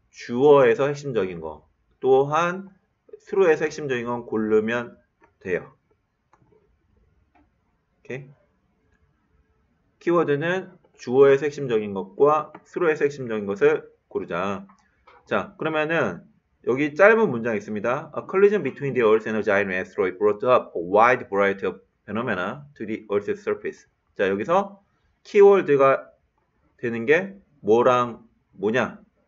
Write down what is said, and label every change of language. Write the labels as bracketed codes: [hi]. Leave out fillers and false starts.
[ko] 주어에서 핵심적인 거, 또한 스루에서 핵심적인 건 고르면 돼요. 오케이? 키워드는 주어의 핵심적인 것과 스루의 핵심적인 것을 고르자. 자, 그러면은 여기 짧은 문장 있습니다. [en] A collision between the Earth and a giant asteroid brought up a wide variety of phenomena to the Earth's surface. [ko] 자, 여기서 키워드가 되는 게 뭐랑 뭐냐?